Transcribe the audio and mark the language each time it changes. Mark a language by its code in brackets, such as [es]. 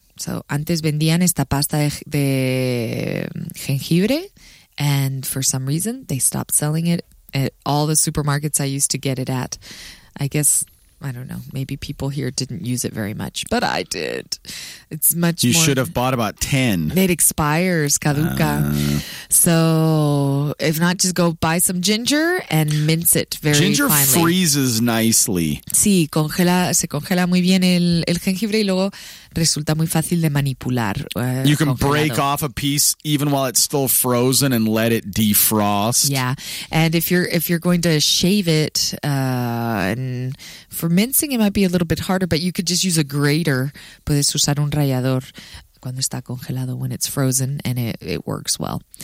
[en] So [es] antes vendían esta pasta de jengibre [en] and for some reason they stopped selling it at all the supermarkets I used to get it at. I guess, I don't know, maybe people here didn't use it very much, but I did. It's much more. You should have bought about 10. It expires, [es] caduca. [en] So if not, just go buy some ginger and mince it very ginger finely. Ginger freezes nicely. [es] Sí, se congela muy bien el jengibre y luego resulta muy fácil de manipular. [en] You can [es] congelado. [en] Break off a piece even while it's still frozen and let it defrost. Yeah, and if you're going to shave it, and for mincing it might be a little bit harder, but you could just use a grater. [es] Puedes usar un rallador cuando está congelado, [en] when it's frozen, and it works well.